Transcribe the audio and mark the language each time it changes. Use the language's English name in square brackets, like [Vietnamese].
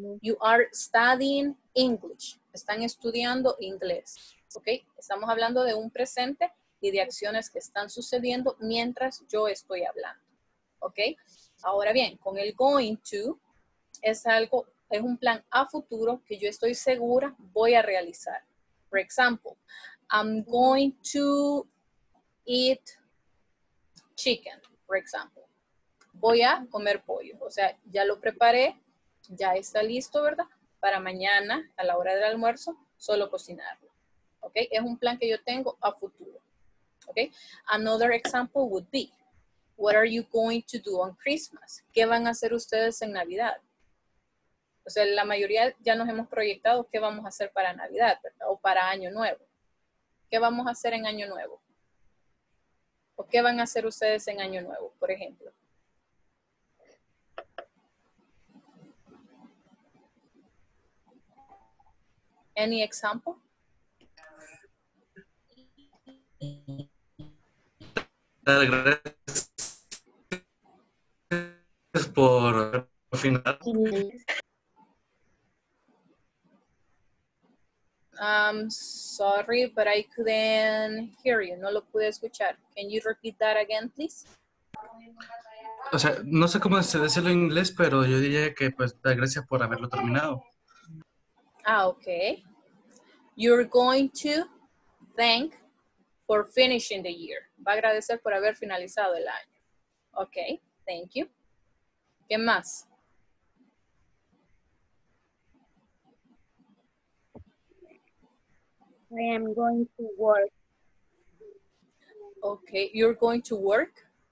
[English] You are studying English, [Spanish] están estudiando inglés. [English] ¿Okay? [Spanish] Estamos hablando de un presente y de acciones que están sucediendo mientras yo estoy hablando. ¿Okay? Ahora bien, con el going to, es algo, es un plan a futuro que yo estoy segura voy a realizar. [English] For example, I'm going to eat chicken, for example. [Spanish] Voy a comer pollo. O sea, ya lo preparé, ya está listo, ¿verdad? Para mañana, a la hora del almuerzo, solo cocinarlo. ¿Ok? Es un plan que yo tengo a futuro. [English] ¿Ok? Another example would be, what are you going to do on Christmas? [Spanish] ¿Qué van a hacer ustedes en Navidad? O sea, la mayoría ya nos hemos proyectado qué vamos a hacer para Navidad, ¿verdad? O para Año Nuevo. ¿Qué vamos a hacer en Año Nuevo? ¿O qué van a hacer ustedes en Año Nuevo, por ejemplo? [English] Any example? [Spanish] Dar gracias por final. [English] I'm sorry, but I couldn't hear you. [Spanish] No lo pude escuchar. [English] Can you repeat that again, please? [Spanish] O sea, no sé cómo se dice en inglés, pero yo diría que pues dar gracias por haberlo terminado. [English] Ah, okay. You're going to thank for finishing the year. [Spanish] Va a agradecer por haber finalizado el año. [English] Okay, thank you. [Spanish] ¿Qué más? [English] I am going to work. Okay, you're going to work.